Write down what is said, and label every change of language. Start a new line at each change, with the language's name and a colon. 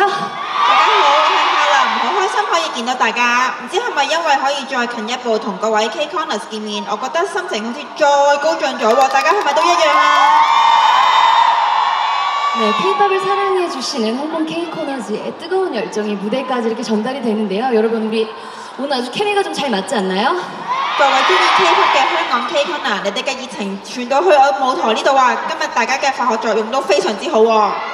Cantonese: 好开心可以见到大家，唔知系咪因为可以再近一步同各位 Kcon 见面，我觉得心情好似再高涨咗喎，大家系咪都一样啊？네
Korean: K-pop을 사랑해 주시는 홍콩 Kcon의 뜨거운 열정이 무대까지 이렇게 전달이 되는데요, 여러분 우리 오늘 아주 케미가 좀 잘 맞지 않나요?
Cantonese: 各位 中意 K-pop 嘅香港 Kcon 啊，你哋嘅热情传到去我舞台呢度啊，今日大家嘅化学作用都非常之好喎。